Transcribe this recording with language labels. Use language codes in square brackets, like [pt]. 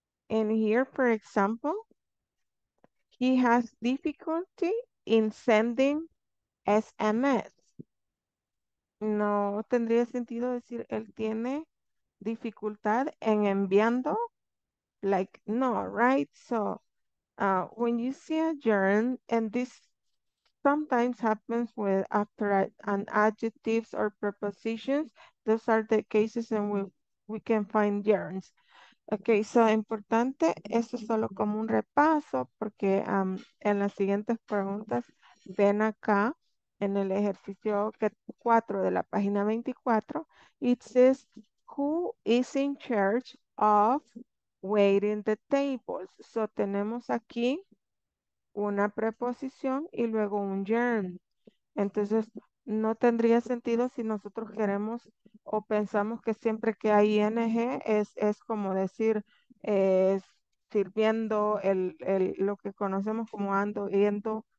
[en] And here, for example, he has difficulty in sending SMS. [es] No tendría sentido decir él tiene dificultad en enviando. [en] Like, no, right? So, when you see a gerund, and this sometimes happens with after an adjectives or prepositions. Those are the cases and we can find gerunds. [es] Okay, so importante, esto es solo como un repaso porque en las siguientes preguntas ven acá en el ejercicio 4 de la página 24. [en] It says, who is in charge of waiting the tables? [es] So tenemos aquí una preposición y luego un gerund. Entonces, no tendría sentido si nosotros queremos o pensamos que siempre que hay ing es como decir sirviendo el lo que conocemos como ando, yendo.